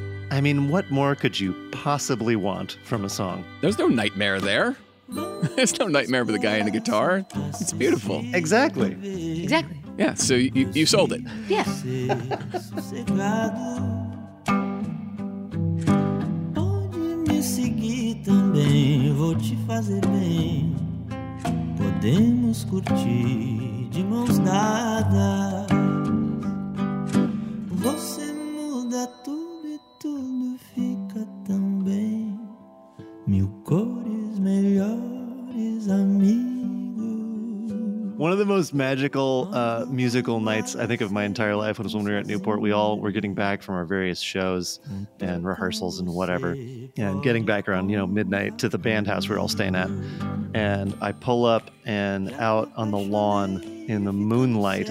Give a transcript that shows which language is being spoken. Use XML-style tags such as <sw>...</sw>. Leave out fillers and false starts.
<en>I mean, what more could you possibly want from a song? There's no nightmare there. There's no nightmare for the guy in the guitar. It's beautiful. Exactly. Exactly. Yeah, so you sold it. Yeah.</en> <pt>Podemos curtir de mãos dadas. Você muda tudo e tudo fica tão bem. Mil cores melhores amigos.</pt> <en>One of the most magical musical nights I think of my entire life was when we were at Newport. We all were getting back from our various shows and rehearsals and whatever, and getting back around, you know, midnight to the band house we're all staying at. And I pull up and out on the lawn in the moonlight.</en>